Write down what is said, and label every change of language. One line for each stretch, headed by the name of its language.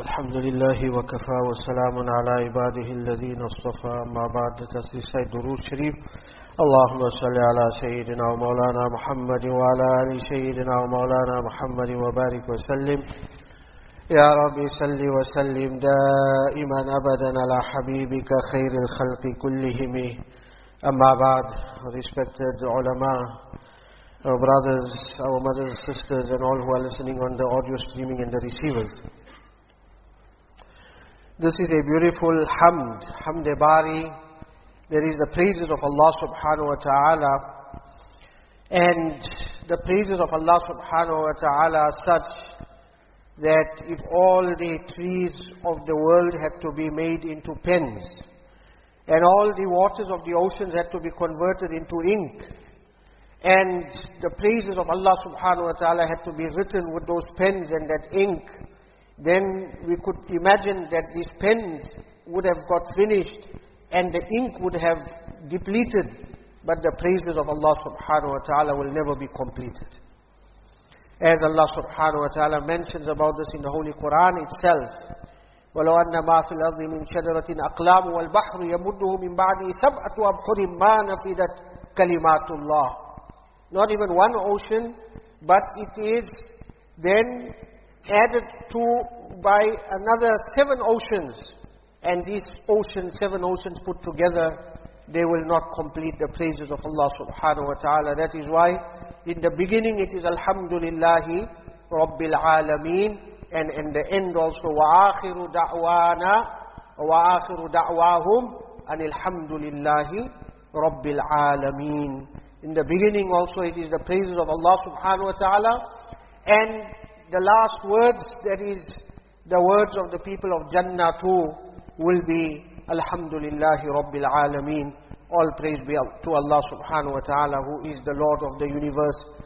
Arabic: الحمد لله وكفى والسلام على عباده الذين اصطفى، ما بعد تسليس الدروس الشريف. اللهم صل على سيدنا ومولانا محمد وعلى آل سيدنا ومولانا محمد وبارك وسلم يا ربي، صل وسلم دائما أبدا على حبيبك خير الخلق كلهم. أما بعد،
English: respected علماء، our brothers, our mothers, sisters, and all who are listening on the audio streaming and the receivers. This is a beautiful hamd, hamd-e bari. There is the praises of Allah subhanahu wa ta'ala. And the praises of Allah subhanahu wa ta'ala are such that if all the trees of the world had to be made into pens, and all the waters of the oceans had to be converted into ink, and the praises of Allah subhanahu wa ta'ala had to be written with those pens and that ink, then we could imagine that these pens would have got finished and the ink would have depleted, but the praises of Allah subhanahu wa ta'ala will never be completed. As Allah subhanahu wa ta'ala mentions about this in the Holy Quran itself,
Arabic: وَلَوْ أَنَّ مَا فِي الْأَرْضِ مِنْ شَجَرَةٍ أَقْلَامُ وَالْبَحْرُ يَمُدُّهُ مِنْ بَعْدِهِ سَبْعَةُ أَبْحُرٍ مَا نَفِدَتْ كَلِمَاتُ اللَّهِ.
English: Not even one ocean, but it is then added to by another seven oceans. And these oceans, seven oceans put together, they will not complete the praises of Allah subhanahu wa ta'ala. That is why in the beginning it is Alhamdulillahi Rabbil Alameen. And in the end also,
Arabic: وَآخِرُ دَعْوَانَا وَآخِرُ دَعْوَاهُمْ أَنِ الْحَمْدُ لِلَّهِ رَبِّ الْعَالَمِينَ.
English: In the beginning also it is the praises of Allah subhanahu wa ta'ala. And the last words, that is the words of the people of Jannah too, will be Alhamdulillahi Rabbil Alameen. All praise be to Allah subhanahu wa ta'ala, who is the Lord of the universe.